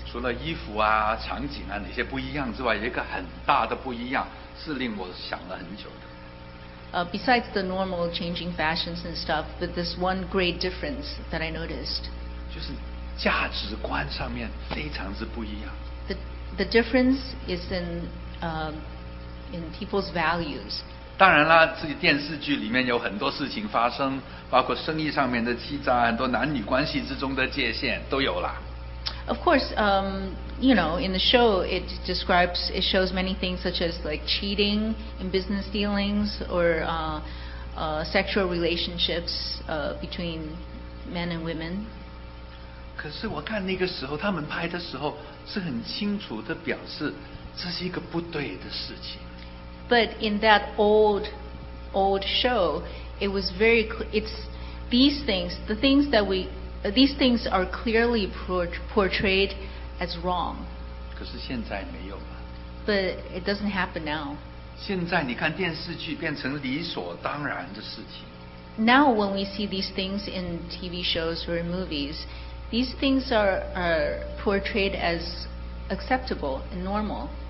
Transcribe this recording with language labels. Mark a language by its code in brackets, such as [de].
[zh] 除了衣服啊、场景啊那些不一样之外，有一个很大的不一样是令我想了很久的。 [en] Besides the normal changing fashions and stuff, but this one great difference that I noticed. [zh] 就是价值观上面非常之不一样。 [en] The difference is in people's values. [zh] 当然啦，这个电视剧里面有很多事情发生，包括生意上面的欺诈，很多男女关系之中的界限都有啦。 [en] Of course, in the show, it shows many things such as like cheating in business dealings or sexual relationships between men and women. [zh] 可是我看那个时候他们拍的时候是很清楚地表示这是一个不对的事情。 [en] But in that old show, it was very clear. It's these things are clearly portrayed as wrong. [zh] 可是现在没有了。 [en] But it doesn't happen now. [zh] 现在你看电视剧变成理所当然的事情。 [en] Now when we see these things in TV shows or in movies, these things are portrayed as acceptable and normal.